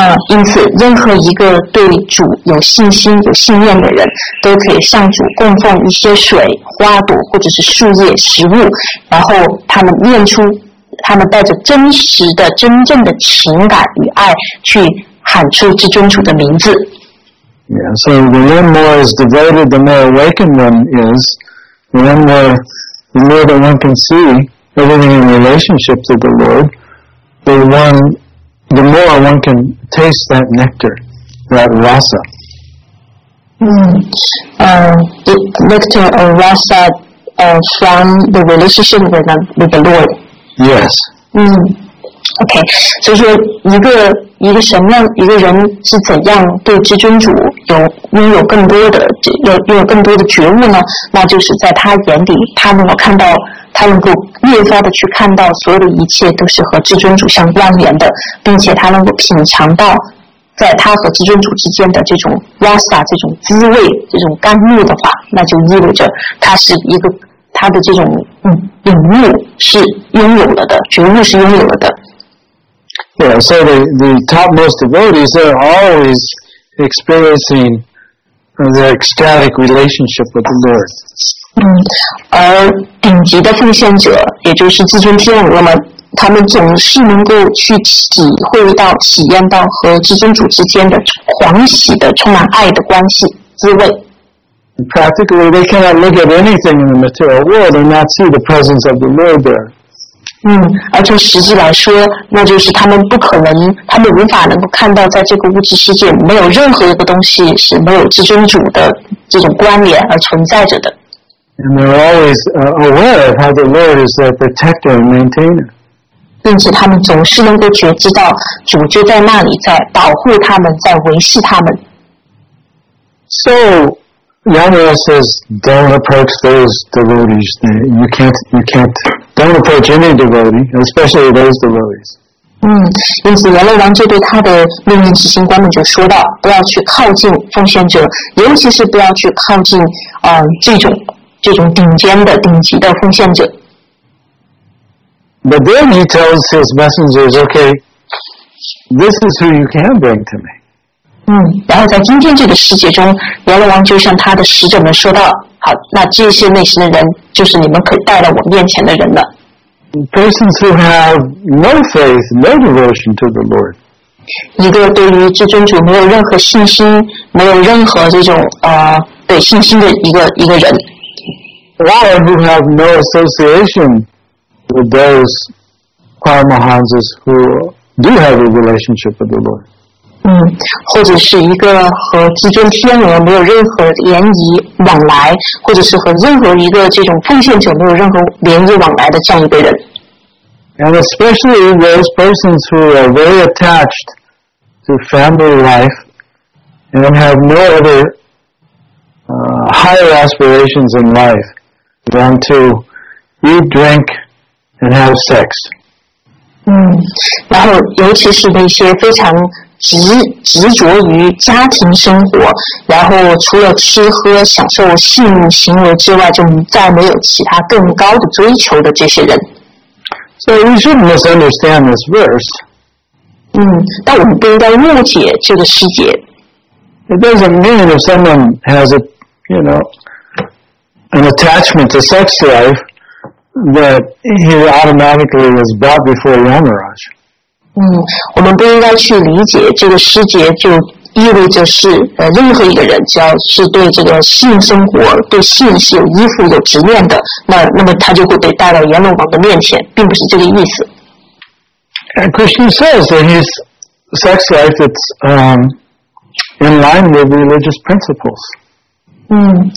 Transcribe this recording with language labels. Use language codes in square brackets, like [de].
[zh] 因此任何一个对主有信心有信念的人都可以向主供奉一些水花朵或者是树叶食物，然后他们带着真实的真正的情感与爱去喊出至尊主的名字。 [en] Yeah, so the one more is devoted, the more awakened one is, the more that one can see everything in relationship to the Lord, the more one can taste that nectar, that rasa. Nectar or rasa from the relationship with the Lord. Yes. Okay. [zh] 所以说一个什么样一个人是怎样对至尊主拥有更多的觉悟呢？那就是在他眼里，他能够越发的去看到所有的一切都是和至尊主相关联的，并且他能够品尝到在他和至尊主之间的这种 rasa 这种滋味这种甘露的话，那就意味着他的这种领悟是拥有了的，觉悟是拥有了的。 [en] Yeah, so the topmost devotees are always experiencing their ecstatic relationship with the Lord. [zh] 而顶级的奉献者，也就是至尊天鹅们，他们总是能够去体验到和至尊主之间的狂喜的、充满爱的关系滋味。 [en] Practically, they cannot look at anything in the material world and not see the presence of the Lord there. [zh] 而从实际来说，那就是他们无法能够看到在这个物质世界没有任何一个东西是没有至尊主的这种关联而存在着的。 [en] And they're always aware of how the Lord is their protector and maintainer. [zh] 并且他们总是能够觉知到主就在那里，在保护他们，在维系他们。 [en] So, Yamara says, don't approach those devotees. You can't. Don't approach any devotee, especially those devotees. [zh] 因此阎罗王就对他的命令执行官们就说道，不要去靠近奉献者，尤其是不要去靠近这种顶级的奉献者。 [en] But then he tells his messengers, okay, this is who you can bring to me. [zh] 然后在今天这个世界中，阎罗王就向他的使者们说道，好，那这些类型的人就是你们可以带到我面前的人了。 [en] Persons who have no faith, no devotion to the Lord. [zh] 一个对于至尊主没有任何信心，没有任何这种对信心的一个人。 [en] One who have no association with those Paramahansas who do have a relationship with the Lord. [zh] 或者是一个和至尊天鹅没有任何联谊往来，或者是和任何一个这种奉献者没有任何联谊往来的这样一个人。 [en] And especially those persons who are very attached to family life and have no other higher aspirations in life than to eat, drink, and have sex. [zh] 然后尤其是那些非常执着于家庭生活，然后除了吃喝享受性行为之外，就再没有其他更高的追求的这些人。 [en] So we shouldn't misunderstand this verse. [zh] 但我们不应该误解这个细节。 [en] It doesn't mean if someone has a, you know, an attachment to sex life that he automatically is brought before Yamaraj. [zh] 我们不应该去理解这个细节就意味着是任何一个人只要是对这个性生活对性是有依附有执念的，那么他就会被带到阎罗王的面前，并不是这个意思。 [en] And Krishna says that his sex life is in line with religious principles.